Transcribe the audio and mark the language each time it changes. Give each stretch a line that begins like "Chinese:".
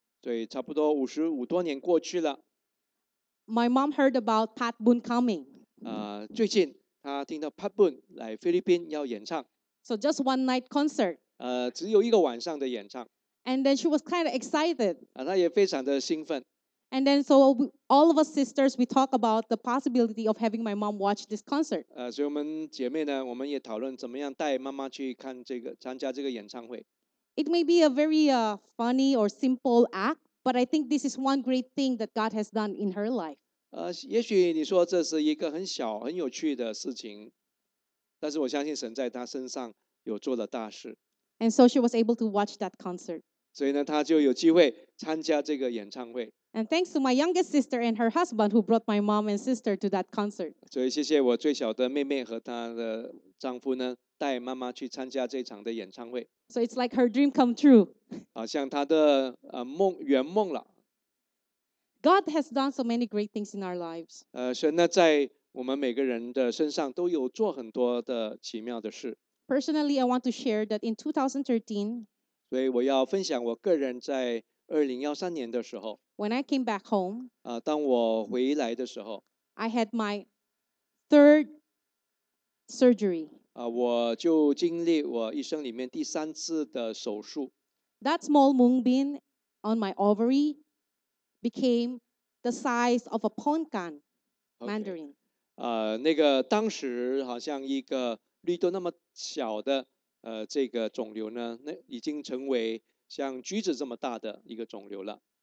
Chinese: 所以差不多55多年过去了。
English: My mom heard about Pat Boone coming.
Chinese: 最近她听到 Pat Boone 来菲律宾要演唱。
English: So just one night concert.
Chinese: 只有一个晚上的演唱。
English: And then she was kind of excited.
Chinese: 她也非常的兴奋。
English: And then so all of us sisters, we talk about the possibility of having my mom watch this concert.
Chinese: 所以我们姐妹呢，我们也讨论怎么样带妈妈去看这个参加这个演唱会。
English: It may be a very funny or simple act, but I think this is one great thing that God has done in her life.
Chinese: 也许你说这是一个很小很有趣的事情，但是我相信神在她身上有做了大事。
English: And so she was able to watch that concert.
Chinese: 所以呢，她就有机会参加这个演唱会。
English: And thanks to my youngest sister and her husband who brought my mom and sister to that concert.
Chinese: 所以谢谢我最小的妹妹和她的丈夫呢，带妈妈去参加这场的演唱会。
English: So it's like her dream come true.
Chinese: 好像她的梦圆梦了。
English: God has done so many great things in our lives.
Chinese: 神呢，在我们每个人的身上都有做很多的奇妙的事。
English: Personally, I want to share that in 2013.
Chinese: 所以我要分享我个人在2013年的时候。
English: When I came back home.
Chinese: 当我回来的时候。
English: I had my third surgery.
Chinese: 我就经历我一生里面第三次的手术。
English: That small moonbeam on my ovary became the size of a pongan mandarin.
Chinese: Okay. 那个当时好像一个。绿豆那么小的这个肿瘤呢，那已经成为像橘子这么大的一个肿瘤了。